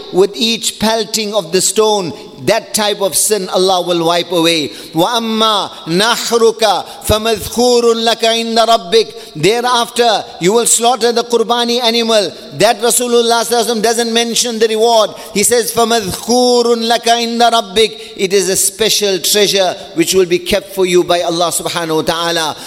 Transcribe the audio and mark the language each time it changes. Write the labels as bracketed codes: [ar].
[en] With each pelting of the stone, that type of sin Allah will wipe away. [ar] وَأَمَّا نَحْرُكَ فَمَذْخُورٌ لَكَ عِنْدَ رَبِّكَ. [en] Thereafter, you will slaughter the Qurbani animal. That Rasulullah doesn't mention the reward. He says, [ar] فَمَذْخُورٌ لَكَ عِنْدَ رَبِّكَ. [en] It is a special treasure which will be kept for you by Allah subhanahu wa ta'ala.